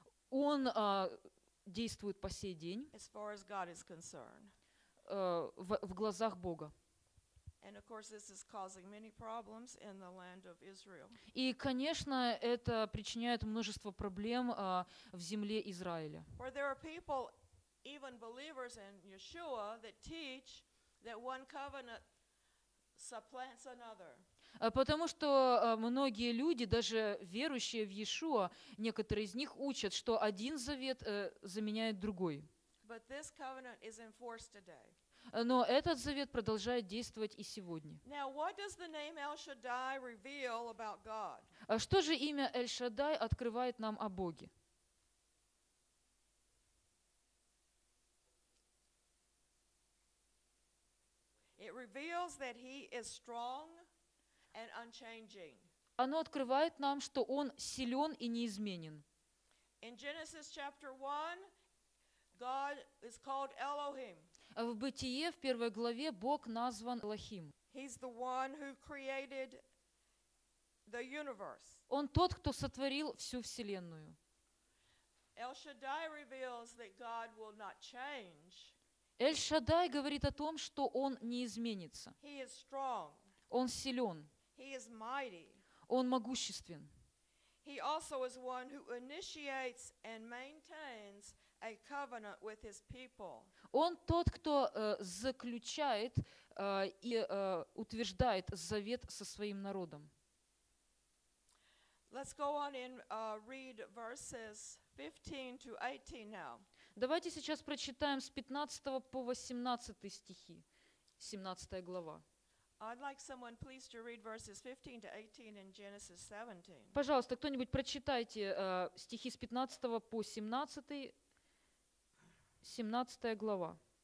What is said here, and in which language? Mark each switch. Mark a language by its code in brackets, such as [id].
[ru] Он действует по сей день. [en] As far as God is concerned. [ru] В глазах Бога. [en] And of course this is causing many problems in the land of Israel. [ru] И, конечно, это причиняет множество проблем в земле Израиля. [en] Where there are people, even believers in Yeshua, that teach that one covenant supplants another. [ru] Потому что многие люди, даже верующие в Иешуа, некоторые из них учат, что один завет заменяет другой. [en] But this covenant is in force today. [ru] Но этот завет продолжает действовать и сегодня. [en] Now, what does the name El Shaddai reveal about God? [ru] Что же имя Эль-Шаддай открывает нам о Боге? [en] It reveals that he is strong and unchanging. [ru] Оно открывает нам, что он силен и неизменен. [en] In Genesis chapter 1, God is called Elohim. [ru] В Бытие, в первой главе, Бог назван Элохим. [en] He's the one who created the universe. [ru] Он тот, кто сотворил всю вселенную. [en] El-Shaddai reveals that God will not change. [ru] Эль-Шаддай говорит о том, что он не изменится. [en] He is strong. [ru] Он силен. [en] He is mighty. [ru] Он могуществен. [en] He also is one who initiates and maintains a covenant with his people. [ru] Он тот, кто заключает и утверждает завет со своим народом. [en] Let's go on and read verses 15 to 18 now. [ru] Давайте сейчас прочитаем с 15 по 18 стихи, 17 глава. [en] I'd like someone please to read verses 15 to 18 in Genesis 17. [ru] Пожалуйста, кто-нибудь прочитайте стихи с 15 по 17, 17 глава.